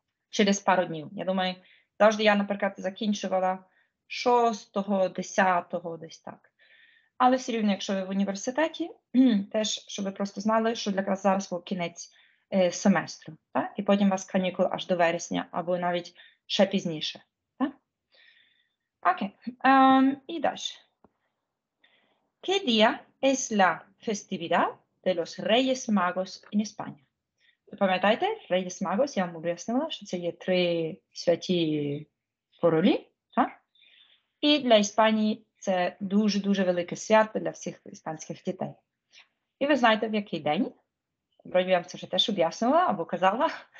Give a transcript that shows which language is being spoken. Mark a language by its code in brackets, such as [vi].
[uk] Через пару днів, я думаю, завжди я, наприклад, закінчувала 6-го, 10-го, десь так. Але все рівно, якщо ви в університеті, теж, щоб ви просто знали, що для вас зараз був кінець семестру. Та? І потім у вас канікули аж до вересня, або навіть ще пізніше. Окей, і далі. [es] ¿Qué día es la festividad de los Reyes Magos en España? [uk] Пам'ятаєте, Reyes Magos, я вам об'яснила, що це є три святі королі, так? І для Іспанії це дуже-дуже велике свято для всіх іспанських дітей. І ви знаєте, в який день? Вроді я вам це вже теж об'яснила або казала.